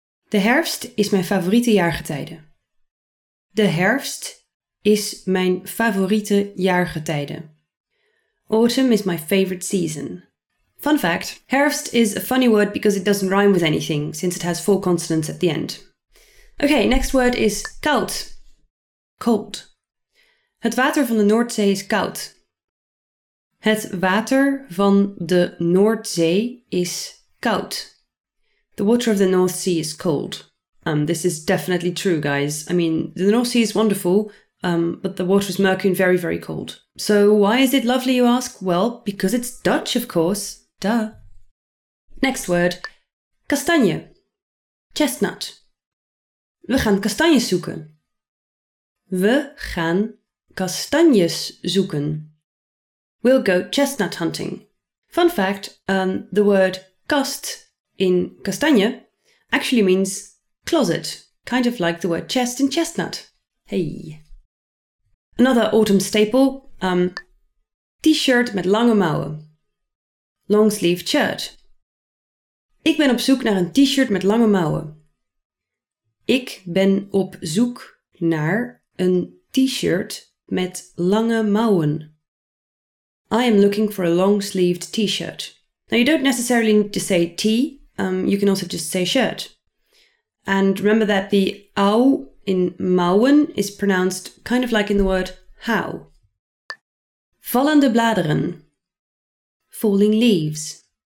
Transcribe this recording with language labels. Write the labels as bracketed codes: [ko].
[nl] De herfst is mijn favoriete jaargetijde. De herfst is mijn favoriete jaargetijde. [en] Autumn is my favorite season. Fun fact, herfst is a funny word because it doesn't rhyme with anything since it has four consonants at the end. Okay, next word is koud. Cold. [nl] Het water van de Noordzee is koud. Het water van de Noordzee is koud. [en] The water of the North Sea is cold. This is definitely true, guys. I mean, the North Sea is wonderful, but the water is murky and very, very cold. So why is it lovely, you ask? Well, because it's Dutch, of course. Duh. Next word. Kastanje. Chestnut. [nl] We gaan kastanjes zoeken. We gaan kastanjes zoeken. [en] We'll go chestnut hunting. Fun fact, the word kast in kastanje actually means closet, kind of like the word chest in chestnut. Hey. Another autumn staple, [nl] t-shirt met lange mouwen. [en] Long sleeve shirt. [nl] Ik ben op zoek naar een t-shirt met lange mouwen. Ik ben op zoek naar een t-shirt met lange mouwen. [en] I am looking for a long sleeved t-shirt. Now you don't necessarily need to say T. You can also just say shirt. And remember that the au in mouwen is pronounced kind of like in the word how. [nl] Vallende bladeren. [en] Falling leaves.